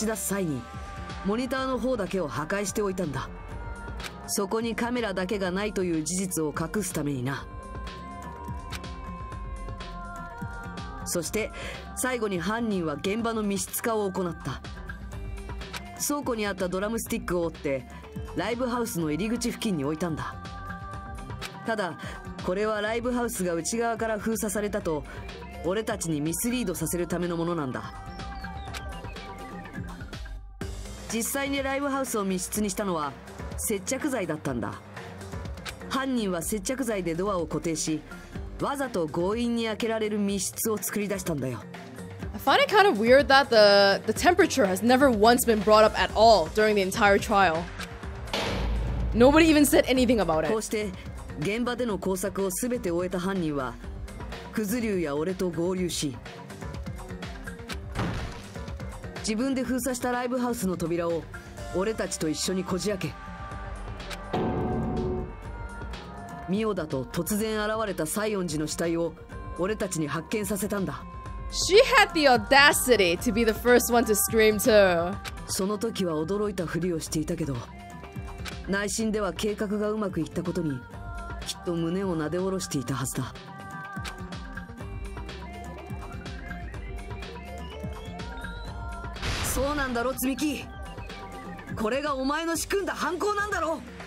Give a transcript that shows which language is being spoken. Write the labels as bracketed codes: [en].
[ja] そして、次に犯人が行ったのは、会議室で使用した監視カメラの処分だった。犯人は持ち出していた監視カメラを破壊し、現場にあった監視モニターの残骸に混ぜたんだ。犯人が使った監視カメラは、もともとライブハウスから持ち出したものなんだけど、犯人はそれを持ち出す際に、モニターの方だけを破壊しておいたんだ。そこにカメラだけがないという事実を隠すためにな。そして、最後に犯人は現場の密室化を行った。倉庫にあったドラムスティックを折って、ライブハウスの入り口付近に置いたんだ。ただ、これはライブハウスが内側から封鎖されたと、俺たちにミスリードさせるためのものなんだ。実際にライブハウスを密室にしたのは接着剤だったんだ。犯人は接着剤でドアを固定し、わざと強引に開けられる密室を作り出したんだよ。 [en] I find it kind of weird that the temperature has never once been brought up at all during the entire trial. Nobody even said anything about it. [ja] こうして現場での工作をすべて終えた犯人は、クズリュウや俺と合流し、自分で封鎖したライブハウスの扉を俺たちと一緒にこじ開け、ミオだと突然現れたサイオン寺の死体を俺たちに発見させたんだ。 [en] She had the audacity to be the first one to scream too. [ja] その時は驚いたふりをしていたけど、内心では計画がうまくいったことにきっと胸をなで下ろしていたはずだ。そうなんだろ、積み木。これがお前の仕組んだ犯行なんだろ。